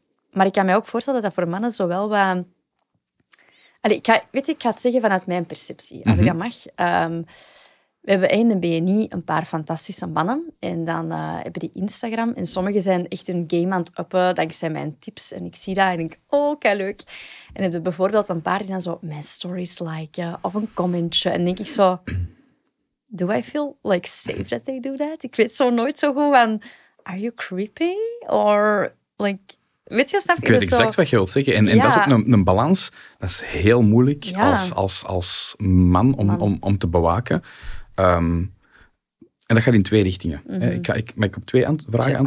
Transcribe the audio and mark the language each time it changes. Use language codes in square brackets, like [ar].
[nl] Maar ik kan me ook voorstellen dat dat voor mannen zo wel wat... Allee, ik ga het zeggen vanuit mijn perceptie, als mm-hmm. ik dat mag... We hebben in de BNI een paar fantastische mannen. En dan hebben die Instagram. En sommigen zijn echt hun game aan het uppen, dankzij mijn tips. En ik zie dat en denk, oh, kei leuk. En hebben bijvoorbeeld een paar die dan zo mijn stories liken of een commentje. En denk ik zo, [en] do I feel like safe that they do that? [nl] Ik weet zo nooit zo goed van, [en] are you creepy? Or, like, [nl] weet je, snap je? Ik weet exact wat je wilt zeggen. En dat is ook een balans. Dat is heel moeilijk als man om te bewaken. En dat gaat in twee richtingen. Mm-hmm. Mag ik op twee vragen antwoorden?